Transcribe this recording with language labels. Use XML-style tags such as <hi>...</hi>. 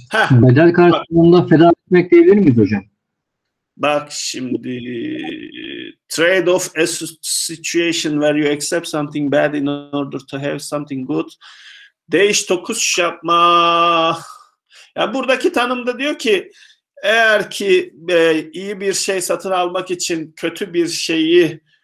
<tr>bedel karşılığında feda etmek diyebilir miyiz hocam? Bak şimdi</tr> <en>trade-off a situation where you accept something bad in order to have something good.</en> <tr>Değiş tokuş yapma. Ya buradaki tanımda diyor ki eğer ki iyi bir şey satın almak için kötü bir şeyi</tr>